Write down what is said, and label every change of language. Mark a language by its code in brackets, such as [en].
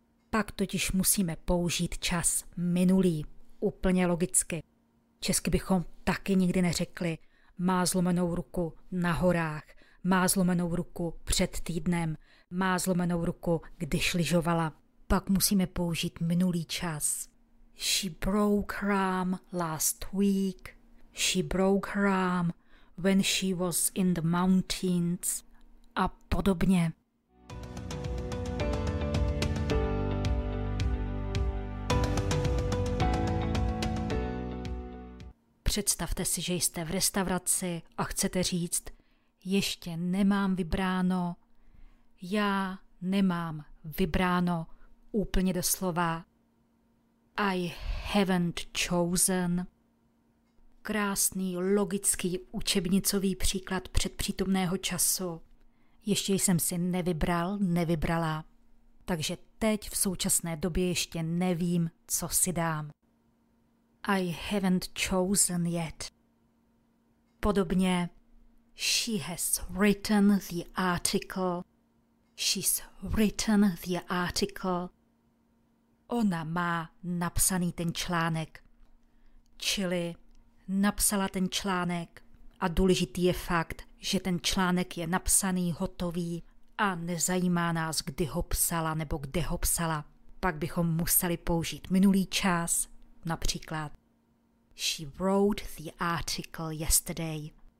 [cs] Pak totiž musíme použít čas minulý, úplně logicky. Česky bychom taky nikdy neřekli, má zlomenou ruku na horách, má zlomenou ruku před týdnem, má zlomenou ruku, když lyžovala. Pak musíme použít minulý čas. [en] She broke her arm last week. She broke her arm when she was in the mountains. [cs] A podobně. Představte si, že jste v restauraci a chcete říct, ještě nemám vybráno. Já nemám vybráno úplně doslova. [en] I haven't chosen. [cs] Krásný, logický, učebnicový příklad předpřítomného času. Ještě jsem si nevybral, nevybrala. Takže teď v současné době ještě nevím, co si dám. [en] I haven't chosen yet. [cs] Podobně. [en] She has written the article. She's written the article. [cs] Ona má napsaný ten článek. Čili napsala ten článek a důležitý je fakt, že ten článek je napsaný, hotový a nezajímá nás, kdy ho psala nebo kde ho psala. pak bychom museli použít minulý čas, například [en] She wrote the article yesterday.